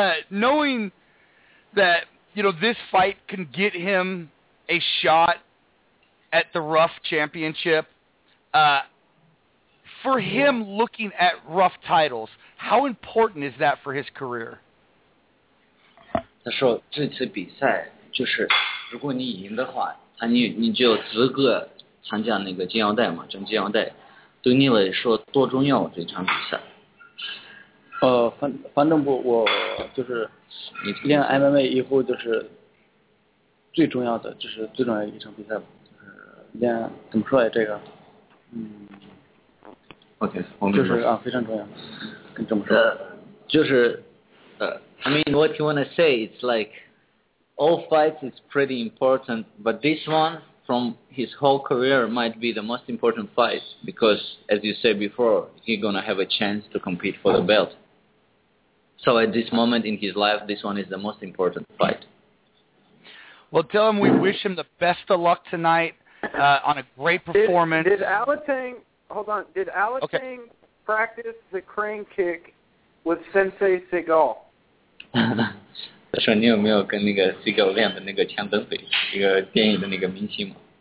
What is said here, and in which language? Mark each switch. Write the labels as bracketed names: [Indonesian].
[English] knowing that, you know, this fight can get him a shot at the Ruff Championship, for him looking at Ruff titles, how important is that for his career? [Chinese] 他说这次比赛就是如果你赢的话，你就资格参加那个金腰带嘛，争金腰带，对你来说多重要这场比赛？反正不，我就是你练 MMA 以后就是最重要的，就是最重要的一场比赛，就是练怎么说呀？这个， OK， 我就是啊，非常重要，跟这么说。 [English] I mean, what you wanna say? It's like all fights is pretty important, but this one. From his whole career might be the most important fight because, as you said before, he's going to have a chance to compete for the belt. So at this moment in his life, this one is the most important fight. Well, tell him we wish him the best of luck tonight on a great performance. Did Alatang practice the crane kick with Sensei Seagal? [Chinese] 他说你有没有跟那个 Seagal 练的那个枪蹬腿一个电影的那个明星吗